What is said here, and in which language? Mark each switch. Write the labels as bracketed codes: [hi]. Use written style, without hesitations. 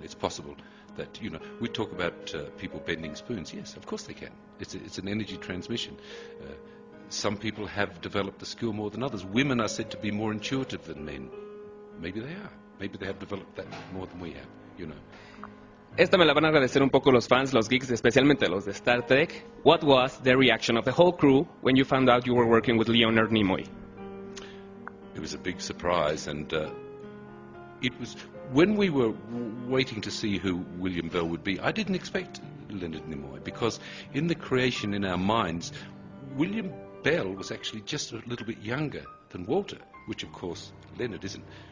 [en] It's possible that, you know, we talk about people bending spoons. Yes, of course they can. It's an energy transmission. Some people have developed the skill more than others. Women are said to be more intuitive than men. Maybe they are. Maybe they have developed that more than we have, you know. [es] Esta me la van a agradecer un poco los fans, los geeks, especialmente los de Star Trek. [en] What was the reaction of the whole crew when you found out you were working with Leonard Nimoy? It was a big surprise, and it was when we were waiting to see who William Bell would be, I didn't expect Leonard Nimoy, because in the creation in our minds, William Bell was actually just a little bit younger than Walter, which of course Leonard isn't.